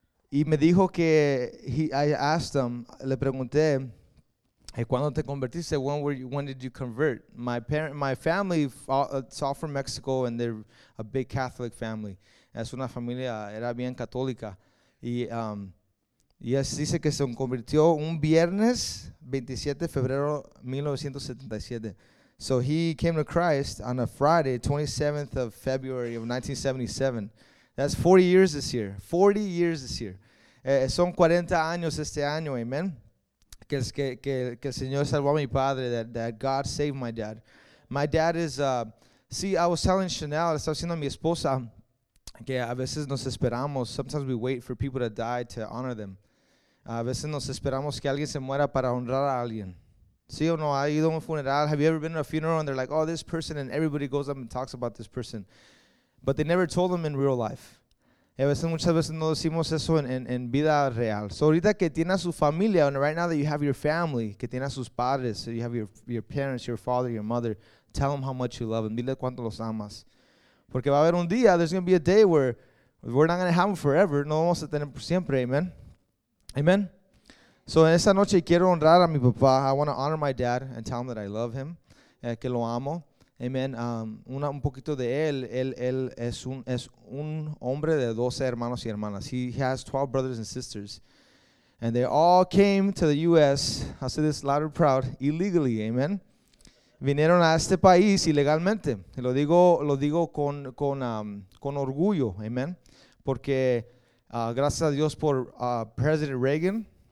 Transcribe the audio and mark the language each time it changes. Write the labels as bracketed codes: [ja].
[es] Y me dijo que, [en] I asked him, [es] le pregunté, ¿cuándo te convertiste? [en] When did you convert? My family, it's all from Mexico, and they're a big Catholic family. [es] Es una familia, era bien católica. Y dice que se convirtió un viernes 27 de febrero 1977. [en] So he came to Christ on a Friday, 27th of February of 1977. That's 40 years this year. 40 years this year. [es] Son 40 años este año, amen, que el Señor salvó a mi padre, [en] that God saved my dad. My dad is, I was telling Chanel, [es] estaba diciendo a mi esposa, que a veces nos esperamos, [en] sometimes we wait for people to die to honor them. [es] A veces nos esperamos que alguien se muera para honrar a alguien. ¿Sí o no? ¿Ha ido a un funeral? [en] Have you ever been to a funeral and they're like, oh, this person, and everybody goes up and talks about this person, but they never told them in real life? [es] A veces, muchas veces no decimos eso en vida real. [en] So [es] ahorita que tiene a su familia, [en] and right now that you have your family, [es] que tiene a sus padres, [en] so you have your parents, your father, your mother, tell them how much you love them. [es] Dile cuánto los amas. Porque va a haber un día, [en] there's going to be a day where we're not going to have them forever. [es] No vamos a tener por siempre, amen. Amen. So en esta noche quiero honrar a mi papá. [en] I want to honor my dad and tell him that I love him, [es] que lo amo. Amen. Un poquito de él. Él es un hombre de 12 hermanos y hermanas. [en] He has 12 brothers and sisters. And they all came to the U.S., I'll say this loud and proud, illegally, amen. [es] Vinieron a este país ilegalmente. Y lo digo con orgullo, amen. Porque gracias a Dios por President Reagan.